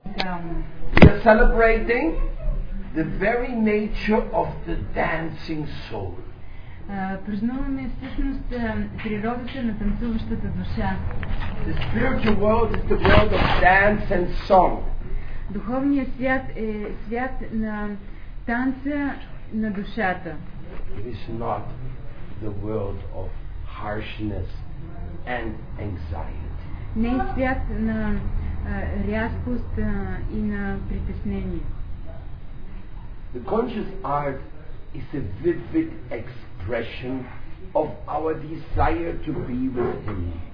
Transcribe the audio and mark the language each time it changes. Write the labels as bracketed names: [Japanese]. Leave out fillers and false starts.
[English] We are celebrating the very nature of the dancing soul. [Bulgarian] Празнуваме всъщност природата на танцуващата душа. [English] The spiritual world is the world of dance and song. [Bulgarian] Духовният свят е свят на танца на душата. [English] It is not the world of harshness and anxiety. [Bulgarian] Не е свят на рязкост и на притеснение. [English] The conscious art is a vivid expression of our desire to be with Him.